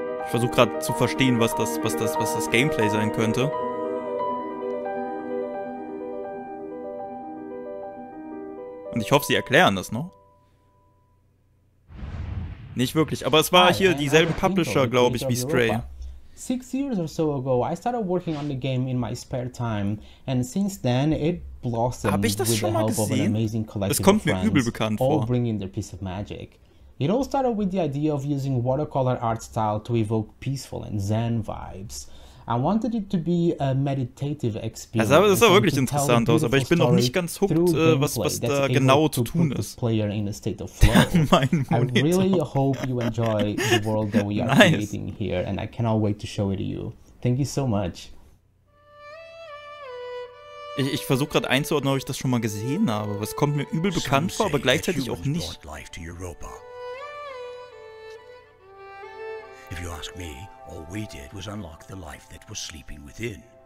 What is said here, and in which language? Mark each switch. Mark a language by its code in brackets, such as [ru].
[de] versuche gerade zu verstehen, was das Gameplay sein könnte. Und ich hoffe, sie erklären das noch. Nicht wirklich, aber es war hier dieselben Publisher, glaube ich, wie Stray. [en] 6 years or so ago, I started working on the game in my spare time, and since then it blossomed with the help of an amazing collective of friends, all bringing their piece of magic. It all started with the idea of using watercolor art style to evoke peaceful and zen vibes. I wanted it to be a meditative experience. [de] Also, das sah wirklich interessant aus, aber ich bin noch nicht ganz hooked, was da genau zu tun ist. [en] Player in a state of flow. [de] Mein Monitor. [en] I really hope you enjoy the world that we are nice. Creating here, and I cannot wait to show it to you. Thank you so much. [de] Ich versuche gerade einzuordnen, ob ich das schon mal gesehen habe. Was kommt mir übel bekannt vor, aber gleichzeitig auch nicht. [en] Life to Europa. If you ask me, all we did was unlock the life that was sleeping within.